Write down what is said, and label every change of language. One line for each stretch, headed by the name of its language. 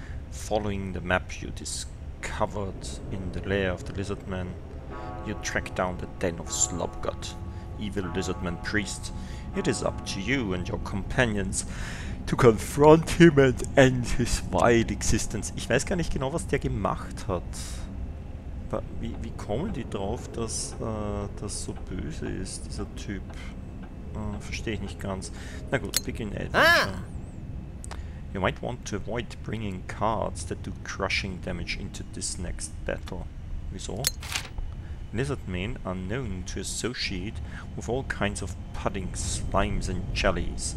English: Following the map you discovered in the lair of the Lizardman, you track down the den of Slapgut, evil Lizardman priest. It is up to you and your companions to confront him and end his wild existence.
German: Ich weiß gar nicht genau, was der gemacht hat. Wie kommen die drauf, dass das so böse ist, dieser Typ? Verstehe ich nicht ganz. Na gut,
English: begin adventure.
German: Ah!
English: You might want to avoid bringing cards that do crushing damage into this next battle.
German: Wieso?
English: Lizardmen are known to associate with all kinds of pudding, slimes and jellies.